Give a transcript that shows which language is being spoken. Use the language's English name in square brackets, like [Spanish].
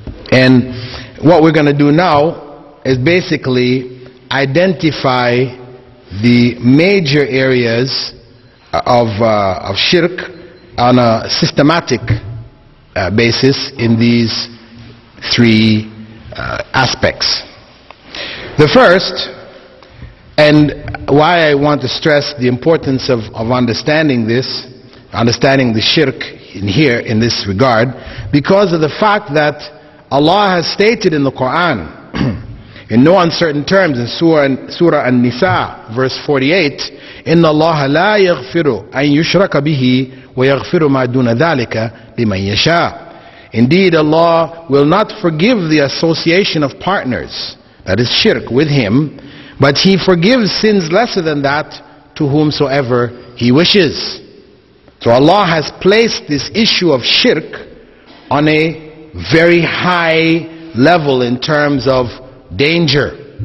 [English] And what we're going to do now is basically identify the major areas of Shirk on a systematic basis in these three aspects. The first, and why I want to stress the importance of understanding this, understanding the shirk in here in this regard, because of the fact that Allah has stated in the Quran In no uncertain terms, in Surah An-Nisa, verse 48, [Arabic] إِنَّ اللَّهَ لَا يَغْفِرُ أَن يُشْرَكَ بِهِ وَيَغْفِرُ مَا دُونَ ذَلِكَ لِمَن يَشَاءُ. [English] Indeed, Allah will not forgive the association of partners, that is shirk, with Him, but He forgives sins lesser than that to whomsoever He wishes. So Allah has placed this issue of shirk on a very high level in terms of danger.